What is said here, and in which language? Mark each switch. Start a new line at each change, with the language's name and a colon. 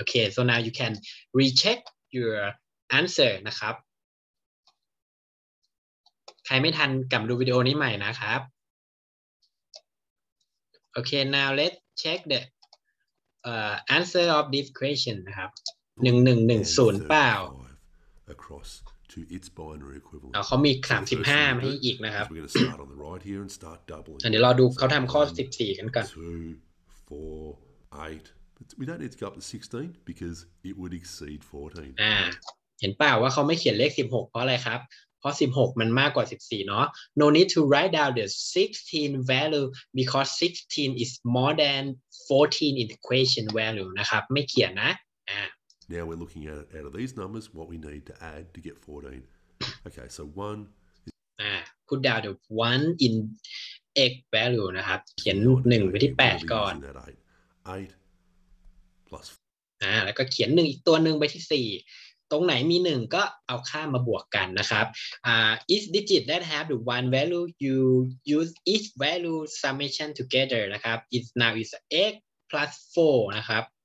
English: Okay, so now you can recheck your answer,
Thai: นะครับใครไม่ทันกลับดูวิดีโอนี้ใหม่นะครับโอเค
English: now let's check the answer of this question
Thai: นะครับ1110เปล่า
English: across to its binary equivalent
Thai: เขามี35มาให้อีกนะครับเดี๋ยวรอดูเขาทำข้อ14กันก่อน 2 4 8
English: but we don't need to go up to 16 because it would exceed 14
Thai: เห็นเปล่าว่าเขาไม่เขียนเลข16เพราะอะไรครับเพราะ16มันมากกว่า14เนาะ
English: No need to write down the 16 value because 16 is more than 14 in equation value นะครับ
Thai: ไม่เขียนนะ
English: Now we're looking at out of these numbers what we need to add to get 14 Okay so 1 put down the 1 in x value นะครับ
Thai: เขียน1ไปที่8ก่อน
English: 8 plus
Thai: แล้วก็เขียน1อีกตัวนึงไปที่4ตรงไหนมี1ก็เอาค่ามาบวกกันนะครับ
English: each digit that have the one value you use each value summation together
Thai: นะครับ is now is x plus 4นะครับ